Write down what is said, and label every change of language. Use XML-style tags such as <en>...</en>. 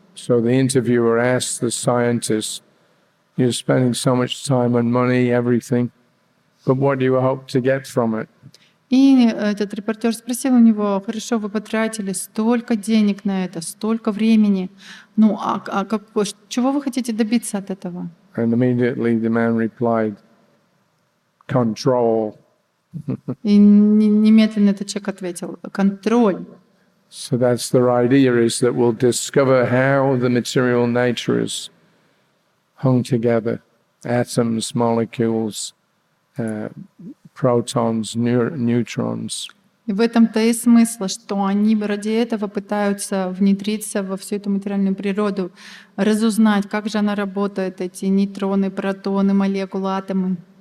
<en>So the interviewer asked the scientist, "You're spending so much time and money, everything, but what do you hope to get from it?"</en> <ru>И этот репортер спросил у него: «Хорошо, вы потратили столько денег на это, столько времени. Ну, чего вы хотите добиться от этого?»</ru> <en>And immediately the man replied, "Control."</en> <ru>И немедленно этот человек ответил: «Контроль».</ru> <en>So that's the idea, is that we'll discover how the material nature is hung together, atoms, molecules, protons, neutrons.</en> <ru>И в этом-то и смысл, что они ради этого пытаются внедриться во всю эту материальную природу, разузнать, как же она работает, эти нейтроны, протоны, молекулы, атомы.</ru>